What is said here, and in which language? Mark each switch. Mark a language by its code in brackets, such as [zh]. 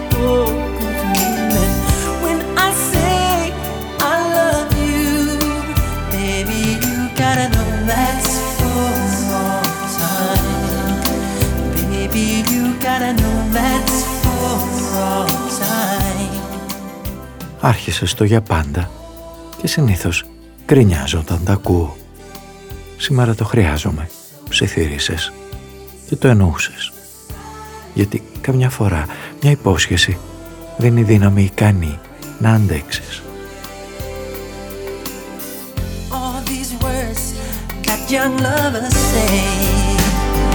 [en] Oh, even when I say I love you, baby, you gotta know that's for all time. Baby, you gotta know that's for all time. [el] Άρχισε το για πάντα. Και συνήθως γκρινιάζω όταν τα ακούω. Σήμερα το χρειάζομαι, ψιθύρισες και το εννοούσες. Γιατί καμιά φορά μια υπόσχεση δίνει δύναμη ικανή να αντέξεις. [en] All these words that young lovers say.